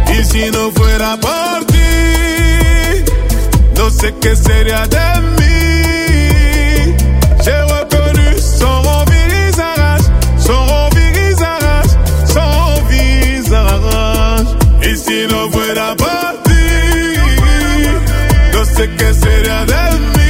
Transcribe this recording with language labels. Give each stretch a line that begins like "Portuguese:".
Spanish: Si no fuera por ti, no sé qué sería de mí.
French: J'ai reconnu son visage, son visage.
Spanish: Y si no fuera por ti, no sé qué sería de mí.